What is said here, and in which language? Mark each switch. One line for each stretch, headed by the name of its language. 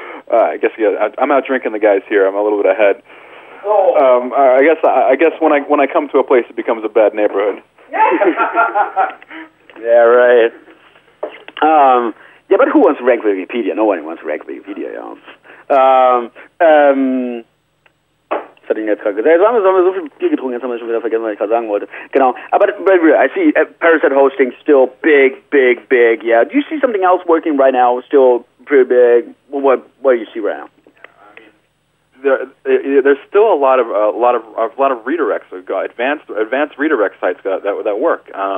English: I guess I'm out drinking the guys here. I'm a little bit ahead. I guess when I come to a place, it becomes a bad neighborhood. Yeah, right. Yeah, but who wants ranked Wikipedia? No one wants ranked Wikipedia, you know.
German: Was hat ihn jetzt gerade gesagt? Jetzt haben wir so viel Bier getrunken, jetzt haben wir schon wieder vergessen, was ich gerade sagen wollte. Genau.
English: But I see Parasite Hosting still big, big, big. Yeah. Do you see something else working right now still pretty big? What do you see right now? There's still a lot of redirects, advanced redirect sites that work.